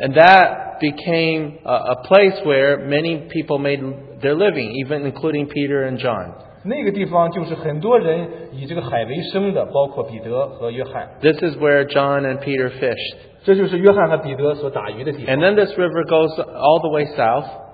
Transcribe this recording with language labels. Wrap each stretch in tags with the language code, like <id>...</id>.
<en>And that became a place where many people made their living, even including Peter and John.</en> <zh>那个地方就是很多人以这个海为生的,包括彼得和约翰。</zh> <en>This is where John and Peter fished.</en> <zh>这就是约翰和彼得所打鱼的地方。</zh> <en>And then this river goes all the way south.</en>